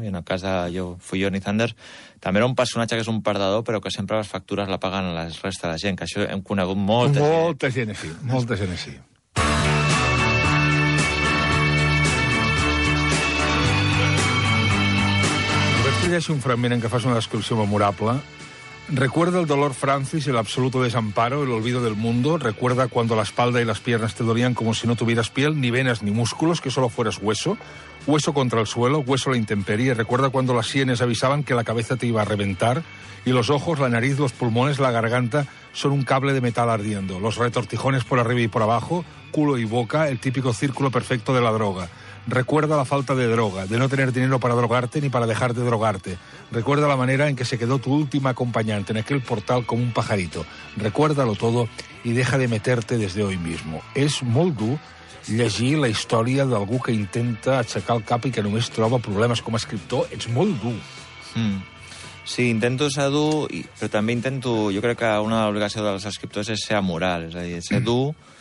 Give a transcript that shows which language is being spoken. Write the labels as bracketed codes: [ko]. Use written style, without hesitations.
[ca] I en el cas de jo, fui Johnny Thunders, també era un personatge que és un perdedor, però que sempre les factures la paguen la resta de la gent, que això hem conegut molta gent. Molta gent, sí. Molta gent, sí. Vaig que deixo un fragment en què fas una descripció memorable. [es] Recuerda el dolor Francis, el absoluto desamparo, el olvido del mundo. Recuerda cuando la espalda y las piernas te dolían como si no tuvieras piel, ni venas ni músculos, que solo fueras hueso. Hueso contra el suelo, hueso a la intemperie. Recuerda cuando las sienes avisaban que la cabeza te iba a reventar y los ojos, la nariz, los pulmones, la garganta son un cable de metal ardiendo. Los retortijones por arriba y por abajo, culo y boca, el típico círculo perfecto de la droga. Recuerda la falta de droga, de no tener dinero para drogarte ni para dejar de drogarte. Recuerda la manera en que se quedó tu última acompañante en aquel portal como un pajarito. Recuérdalo todo y deja de meterte desde hoy mismo. [ca] Es molt dur llegir la història d'algú que intenta aixecar el cap i que només troba problemes com a escriptor. Ets molt dur. Mm. Sí, intento ser dur, però també intento... Jo crec que una obligació dels escriptors és ser amoral, és a dir, ser dur...